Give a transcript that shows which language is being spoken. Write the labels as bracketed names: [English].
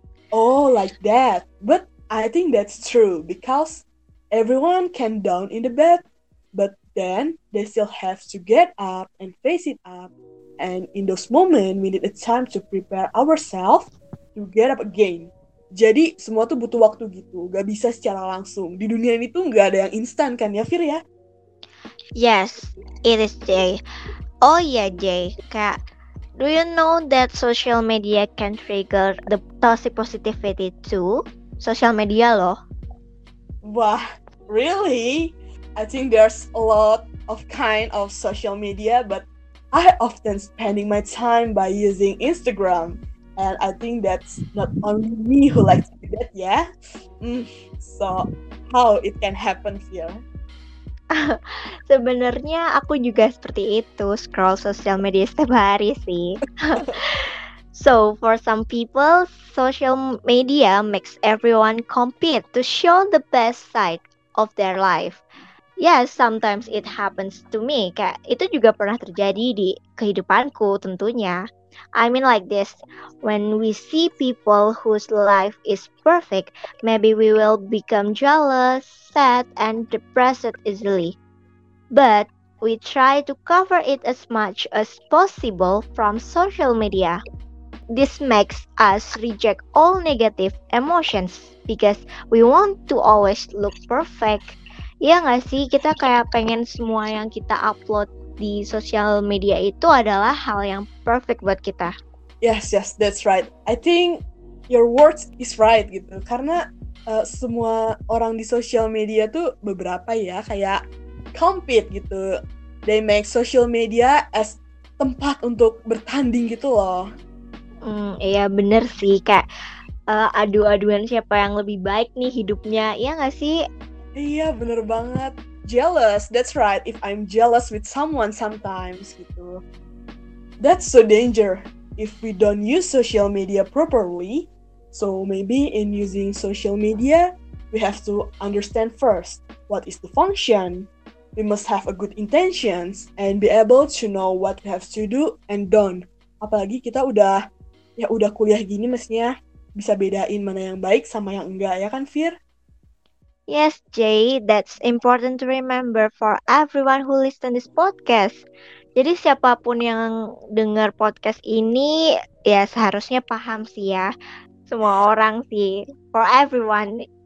[English] Oh, like that. But I think that's true because everyone can down in the bed, but then they still have to get up and face it up. And in those moments, we need a time to prepare ourselves to get up again. [Indonesian] Jadi semua tuh butuh waktu gitu, gak bisa secara langsung. Di dunia ini tuh gak ada yang instan kan ya, Fir ya? [English] Yes, it is, Jay. Oh yeah, Jay, kayak, do you know that social media can trigger the toxic positivity too? Social media loh. Wah, really? I think there's a lot of kind of social media, but I often spending my time by using Instagram. And I think that's not only me who likes to do that, yeah? So, how it can happen here? [Indonesian] Sebenarnya aku juga seperti itu, scroll social media setiap hari sih. [English] So, for some people, social media makes everyone compete to show the best side of their life. Yes, sometimes it happens to me. [Indonesian] Kayak itu juga pernah terjadi di kehidupanku tentunya. [English] I mean like this, when we see people whose life is perfect, maybe we will become jealous, sad, and depressed easily. But we try to cover it as much as possible from social media. This makes us reject all negative emotions, because we want to always look perfect. [Indonesian] Iya gak sih, kita kayak pengen semua yang kita upload di social media itu adalah hal yang perfect buat kita. [English] Yes, yes, that's right. I think your words is right gitu. [Indonesian] Karena semua orang di social media tuh beberapa ya kayak compete gitu. [English] They make social media as [Indonesian] tempat untuk bertanding gitu loh. Iya bener sih, kayak adu-aduan siapa yang lebih baik nih hidupnya. Iya gak sih? Iya bener banget. [English] Jealous, that's right, if I'm jealous with someone sometimes, gitu. That's so danger, if we don't use social media properly. So maybe in using social media, we have to understand first, what is the function? We must have a good intentions, and be able to know what we have to do and don't. [Indonesian] Apalagi kita udah, ya udah kuliah gini mestinya, bisa bedain mana yang baik sama yang enggak, ya kan Fir? [English] Yes, Jay, that's important to remember for everyone who listen this podcast. [Indonesian] Jadi siapapun yang dengar podcast ini, ya seharusnya paham sih ya. Semua orang sih, [English] for everyone.